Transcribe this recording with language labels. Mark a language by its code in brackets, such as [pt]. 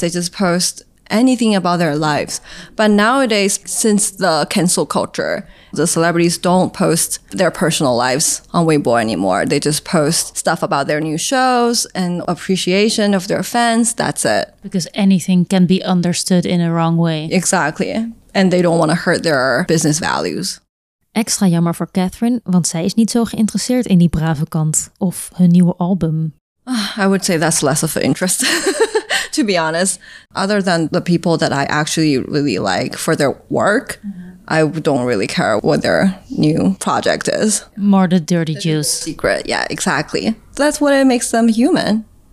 [en] They just post anything about their lives. But nowadays, since the cancel culture, the celebrities don't post their personal lives on Weibo anymore. They just post stuff about their new shows and appreciation of their fans. That's it. Because anything can be understood in a wrong way. Exactly. And they don't want to hurt their business values. [nl] Extra jammer voor Catherine, want zij is niet zo geïnteresseerd in die brave kant of hun nieuwe album. [en] I would say that's less of an interest. To be honest, other than the people that I actually really like for their work, I don't really care what their new project is. More the dirty juice. Secret, yeah, exactly. That's what it makes them human.